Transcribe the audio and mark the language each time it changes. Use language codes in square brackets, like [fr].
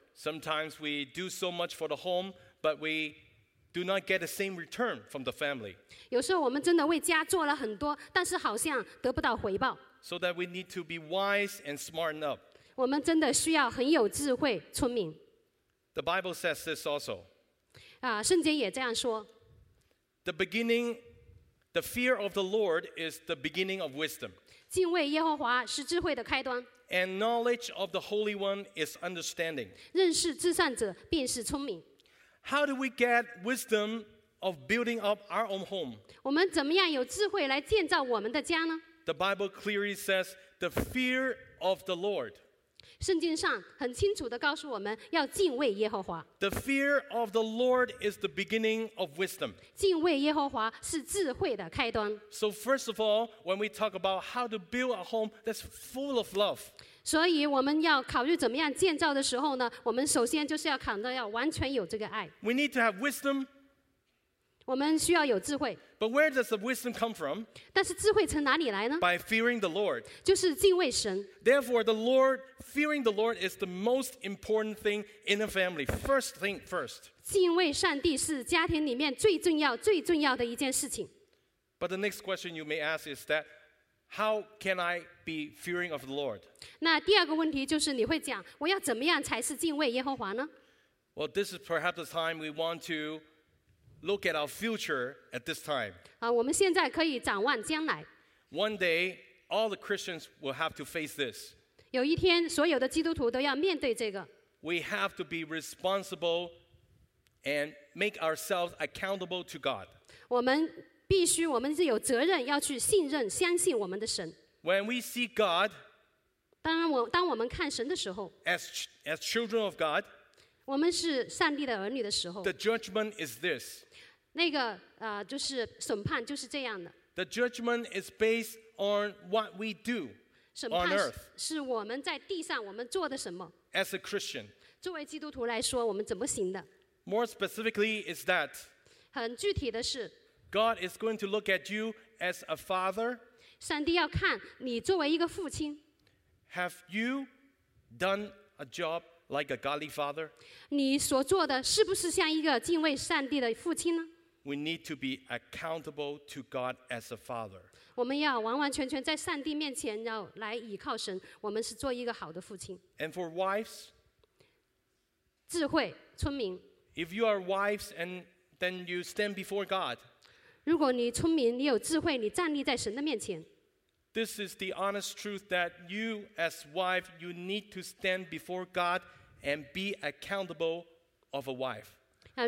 [en] Sometimes we do so much for the home, but we do not get the same return from the family. [zh] 有时候我们真的为家做了很多，但是好像得不到回报。 [en] So that we need to be wise and smarten up. [zh] 我们真的需要很有智慧，聪明。 [en] The Bible says this also. [zh] 圣经也这样说。 [en] The beginning, the fear of the Lord is the beginning of wisdom. [zh] 敬畏耶和华是智慧的开端。 [en] And knowledge of the Holy One is understanding. [zh] 认识至善者便是聪明。 [en] How do we get wisdom of building up our own home? [zh] 我们怎么样有智慧来建造我们的家呢？ [en] The Bible clearly says the fear of the Lord. [zh] 圣经上很清楚地告诉我们要敬畏耶和华。 [en] The fear of the Lord is the beginning of wisdom. [zh] 敬畏耶和华是智慧的开端。 [en] So first of all, when we talk about how to build a home that's full of love, [zh] 所以我们要考虑怎么样建造的时候呢，我们首先就是要考虑要完全有这个爱。 [en] We need to have wisdom. [zh] 我们需要有智慧。 [en] But where does the wisdom come from? [zh] 但是智慧从哪里来呢？ [en] By fearing the Lord. [zh] 就是敬畏神。 [en] Therefore, the Lord, fearing the Lord is the most important thing in a family. First thing first. [zh] 敬畏上帝是家庭里面最重要、最重要的一件事情。 [en] But the next question you may ask is that, how can I be fearing of the Lord? [zh] 那第二个问题就是你会讲，我要怎么样才是敬畏耶和华呢？ [en] Well, this is perhaps the time we want to look at our future at this time. [zh] 我们现在可以展望将来。 [en] One day, all the Christians will have to face this. [zh] 有一天，所有的基督徒都要面对这个。 [en] We have to be responsible and make ourselves accountable to God. [zh] 我们必须，我们是有责任要去信任、相信我们的神。 [en] When we see God, [zh] 当我们看神的时候 [en] ，as children of God, [zh] 我们是上帝的儿女的时候 [en] ，the judgment is this. [zh] 那个就是审判就是这样的。 [en] The judgment is based on what we do on earth. [zh] 审判是我们在地上我们做的什么。 [en] As a Christian, [zh] 作为基督徒来说，我们怎么行的 [en] ？More specifically, is that [zh] 很具体的是。 [en] God is going to look at you as a father. [zh] 上帝要看你作为一个父亲。 [en] Have you done a job like a godly father? [zh] 你所做的是不是像一个敬畏上帝的父亲呢？ [en] We need to be accountable to God as a father. [zh] 我们要完完全全在上帝面前要来倚靠神，我们是做一个好的父亲。 [en] And for wives, [zh] 智慧聪明。 [en] If you are wives and then you stand before God. [zh] 如果你聪明，你有智慧，你站立在神的面前。 [en] This is the honest truth that you, as wife, you need to stand before God and be accountable of a wife.